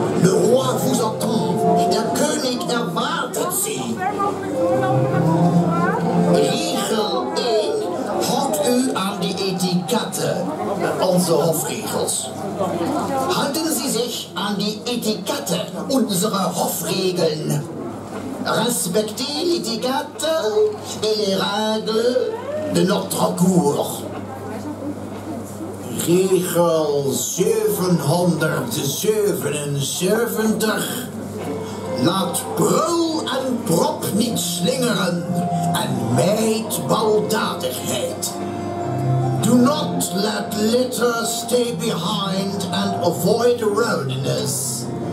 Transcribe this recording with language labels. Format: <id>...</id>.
<fr>Le roi vous attend.</fr> <de>Der König erwartet sie.</de> <nl>Regel 1. Houdt u aan de etiketten, onze hofregels. Houden ze zich aan de etiketten, onze hofregelen.</nl> <fr>Respectez l'étiquette et les règles de notre cour.</fr> <nl>Regel 777. Laat prul en prop niet slingeren en mijd baldadigheid.</nl> <en>Do not let litter stay behind and avoid rowdiness.</en>